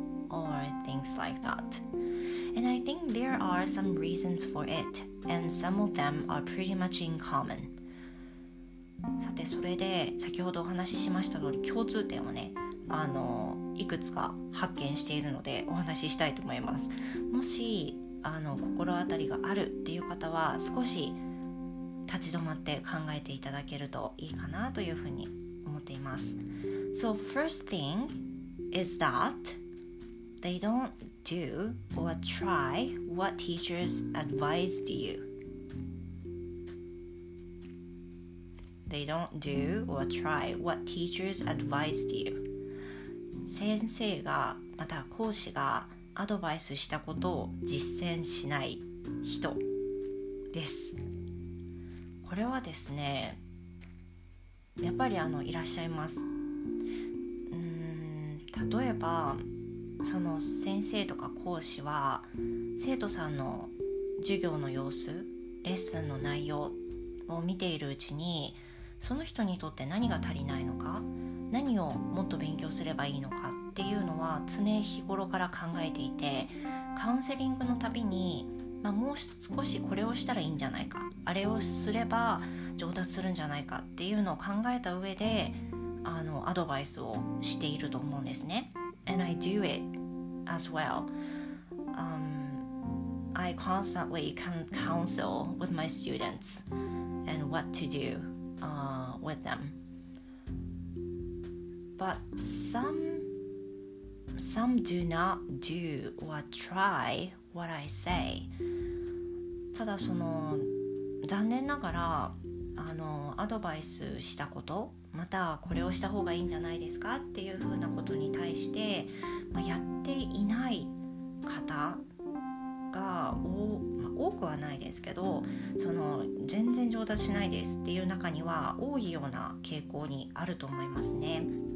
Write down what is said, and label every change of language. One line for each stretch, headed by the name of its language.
English: Or things like that. And I think there are some reasons for it. And some of them are pretty much in common.
Japanese: さて、それで先ほどお話ししました通り共通点をね、あのいくつか発見しているのでお話ししたいと思います。もしあの心当たりがあるっていう方は少し立ち止まって考えていただけるといいかなというふうに思っています。 So first thing is that they don't do or try what teachers advised you. They don't do or try what teachers advised you. 先生がまた講師がアドバイスしたことを実践しない人です。これはですね、やっぱりあのいらっしゃいます。例えばその先生とか講師は生徒さんの授業の様子、レッスンの内容を見ているうちに、その人にとって何が足りないのか、何をもっと勉強すればいいのかっていうのは常日頃から考えていて、カウンセリングのたびに、まあ、もう少しこれをしたらいいんじゃないか、あれをすれば上達するんじゃないかっていうのを考えた上で、あのアドバイスをしていると思うんですね。
English: And I do it as well. I constantly counsel with my students and what to do with them. But some do not do or try what I say.
Japanese: ただその残念ながら、あのアドバイスしたこと、またこれをした方がいいんじゃないですかっていうふうなことに対して、まあ、やっていない方が多くはないですけど、その全然上達しないですっていう中には多いような傾向にあると思いますね。